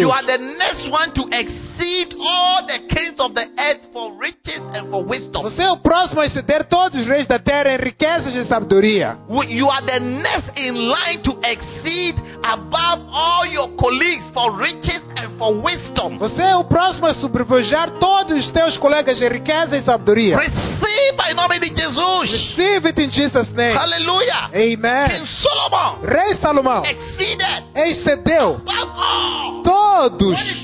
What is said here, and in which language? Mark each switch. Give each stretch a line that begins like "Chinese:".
English: You are the next one to exceed all the kings of the earth for riches and for wisdom.
Portuguese: Você é o próximo a exceder todos os reis da terra em riquezas e sabedoria.
English: You are the next in line to exceed above all your colleagues for riches and for wisdom.
Portuguese: Você é o próximo a sobrepujar todos os teus colegas em riqueza e sabedoria. Receba em nome de Jesus.
English: Receive it in Jesus' name. Hallelujah.
Portuguese: Amen. Rei Salomão excedeu todos.